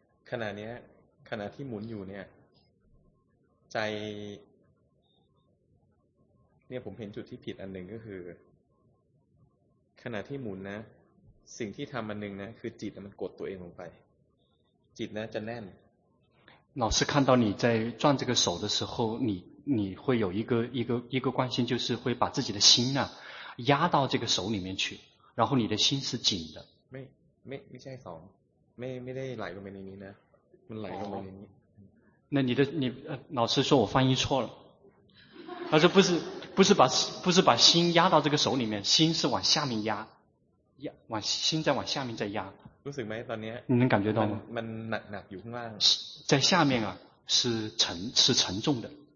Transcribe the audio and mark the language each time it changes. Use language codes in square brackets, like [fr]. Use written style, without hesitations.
[th] ขณะนี้ขณะที่หมุนอยู่เนี่ยใจเนี่ยผมเห็นจุดที่ผิดอันหนึ่งก็คือขณะที่หมุนนะสิ่งที่ทำมันหนึ่งนะคือจิตมันกดตัวเองลงไปจิตนะจะแน่ [zh] น老师看到你在转这个手的时候你会有一个关心就是会把自己的心呢、啊、压到这个手里面去然后你的心是紧的 [th] ไม่ใช่สองไม่ได้ไหลลงไปในนี้นะมันไหลลงไปในนี้ [zh] 那你老师说我翻译错了他说不是把心压到这个手里面心是往下面压往心在往下面在压。 [th] รู้สึกไหมตอนนี้ [zh] 你能感觉到吗？ [th] มันหนักหนักอยู่ข้างล่าง。 [zh] 在下面啊，是沉是沉重的。